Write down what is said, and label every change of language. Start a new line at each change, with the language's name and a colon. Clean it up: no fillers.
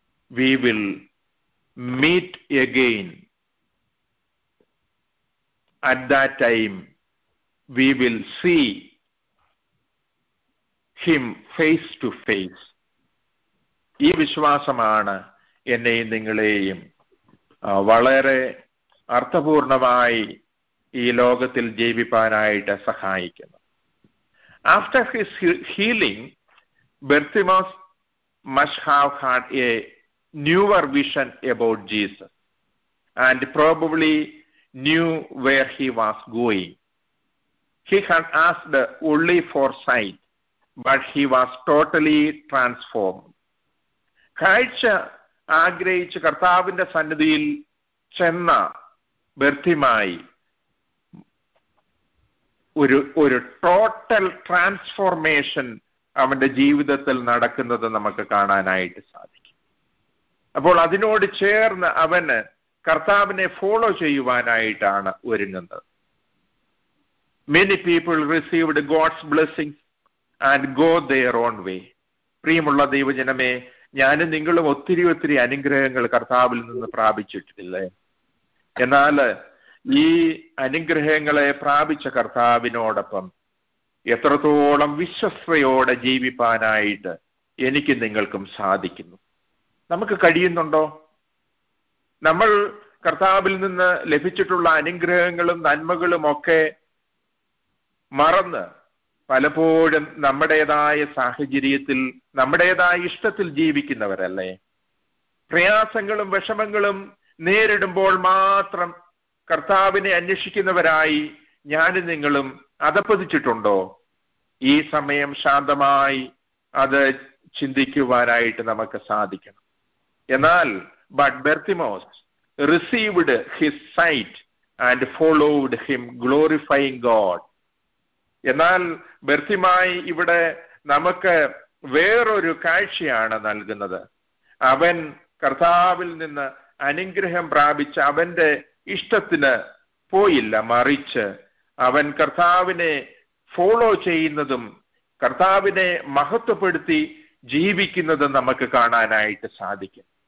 English: We will meet again. At that time, we will see him face to face.
Malayalam: ഈ വിശ്വാസമാണ് എന്നെയും നിങ്ങളെയും വളരെ അർത്ഥപൂർണമായി ഈ ലോകത്തിൽ ജീവിപ്പാനായിട്ട് സഹായിക്കുന്നത്.
English: After his healing, Bartimaeus must have had a newer vision about Jesus and probably knew where he was going. He had asked only for sight, but he was totally transformed.
Malayalam: കാഴ്ച ആഗ്രഹിച്ച് കർത്താവിന്റെ സന്നിധിയിൽ ചെന്ന ബർത്തിമായി ഒരു ഒരു total transformation അവന്റെ ജീവിതത്തിൽ നടക്കുന്നത് നമുക്ക് കാണാനായിട്ട് സാധിക്കും. അപ്പോൾ അതിനോട് ചേർന്ന് അവന് കർത്താവിനെ ഫോളോ ചെയ്യുവാനായിട്ടാണ് ഒരുങ്ങുന്നത്.
English: Many people received God's blessings and go their own way.
Malayalam: പ്രിയമുള്ള ദൈവജനമേ, ഞാനും നിങ്ങളും ഒത്തിരി ഒത്തിരി അനുഗ്രഹങ്ങൾ കർത്താവിൽ നിന്ന് പ്രാപിച്ചിട്ടില്ലേ? എന്നാൽ ഈ അനുഗ്രഹങ്ങളെ പ്രാപിച്ച കർത്താവിനോടൊപ്പം എത്രത്തോളം വിശ്വസ്തയോടെ ജീവിപ്പാനായിട്ട് എനിക്കും നിങ്ങൾക്കും സാധിക്കുന്നു. നമുക്ക് കഴിയുന്നുണ്ടോ? നമ്മൾ കർത്താവിൽ നിന്ന് ലഭിച്ചിട്ടുള്ള അനുഗ്രഹങ്ങളും നന്മകളും ഒക്കെ മറന്ന് പലപ്പോഴും നമ്മുടേതായ സാഹചര്യത്തിൽ നമ്മുടേതായ ഇഷ്ടത്തിൽ ജീവിക്കുന്നവരല്ലേ? പ്രയാസങ്ങളും വിഷമങ്ങളും നേരിടുമ്പോൾ മാത്രം കർത്താവിനെ അന്വേഷിക്കുന്നവരായി ഞാനും നിങ്ങളും അധപതിച്ചിട്ടുണ്ടോ? ഈ സമയം ശാന്തമായി അത് ചിന്തിക്കുവാനായിട്ട് നമുക്ക് സാധിക്കണം.
English: എന്നാൽ Bartimaeus received his sight and followed him, glorifying God.
Malayalam: എന്നാൽ ബർത്തിമായി ഇവിടെ നമുക്ക് വേറൊരു കാഴ്ചയാണ് നൽകുന്നത്. അവൻ കർത്താവിൽ നിന്ന് അനുഗ്രഹം പ്രാപിച്ച് അവന്റെ ഇഷ്ടത്തിന് പോയില്ല, മറിച്ച് അവൻ കർത്താവിനെ ഫോളോ ചെയ്യുന്നതും കർത്താവിനെ മഹത്വപ്പെടുത്തി ജീവിക്കുന്നതും നമുക്ക് കാണാനായിട്ട് സാധിക്കും.